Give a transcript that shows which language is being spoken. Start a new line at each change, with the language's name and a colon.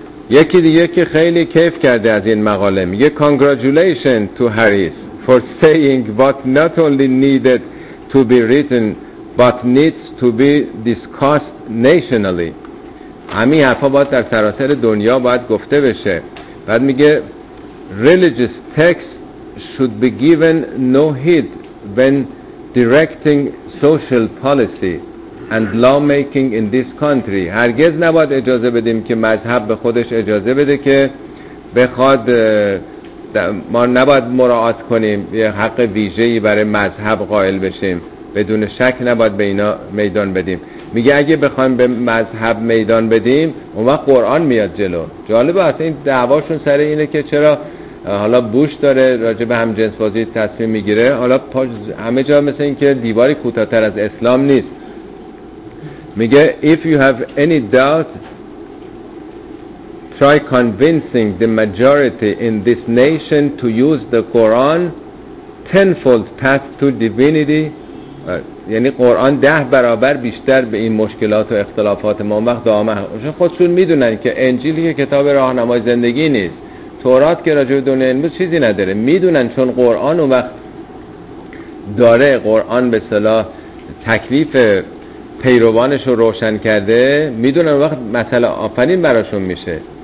Persian: یکی دیگه که خیلی کیف کرده از این مقاله، میگه
English: congratulation to Harris for saying what not only needed to be written but needs to be discussed nationally.
Persian: همین حرفا باید در سراسر دنیا باید گفته بشه. بعد میگه
English: religious texts should be given no heed when directing social policy and lawmaking in this country.
Persian: هرگز نباید اجازه بدیم که مذهب به خودش اجازه بده که بخواد ما نباید مراعات کنیم یه حق ویژه‌ای برای مذهب قائل بشیم. بدون شک نباید به اینا میدان بدیم. میگه اگه بخوایم به مذهب میدان بدیم اون وقت قرآن میاد جلو. جالبه اصلا این دعواشون سر اینه که چرا حالا بوش داره راجع به همجنس‌بازی تصمیم میگیره، حالا همه جا مثل این که دیواری کوتاه‌تر از اسلام نیست. میگه
English: if you have any doubt try convincing the majority in this nation to use the Quran tenfold path to divinity.
Persian: یعنی قرآن 10 برابر بیشتر به این مشکلات و اختلافات ما وقت دامه. چون خودشون میدونن که انجیل که کتاب راهنمای زندگی نیست، تورات که راجع به دنیای امروز چیزی نداره، میدونن چون قرآن اون وقت داره، قرآن به اصطلاح تکلیف پیروانش رو روشن کرده، میدونن اون وقت مسئله آفرین براشون میشه.